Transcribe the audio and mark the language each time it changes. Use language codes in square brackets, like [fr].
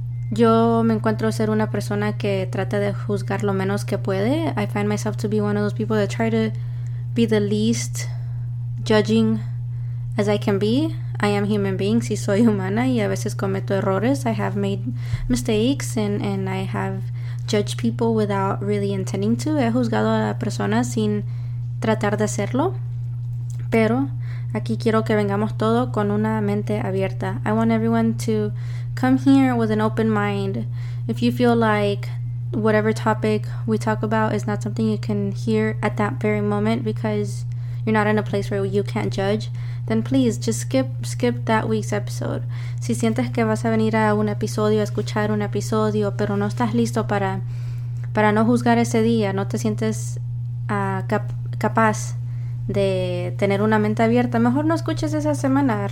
[es] Yo me encuentro ser una persona que trata de juzgar lo menos que puede. [en] I find myself to be one of those people that try to be the least judging as I can be. I am human beings, [es] y soy humana, y a veces cometo errores. [en] I have made mistakes, and I have judged people without really intending to. [es] He juzgado a personas sin tratar de hacerlo. Pero aquí quiero que vengamos todo con una mente abierta. [en] I want everyone to come here with an open mind. If you feel like whatever topic we talk about is not something you can hear at that very moment because you're not in a place where you can't judge, then please just skip that week's episode. [es] Si sientes que vas a venir a un episodio, a escuchar un episodio, pero no estás listo para no juzgar ese día, no te sientes capaz de tener una mente abierta, mejor no escuches esa semana.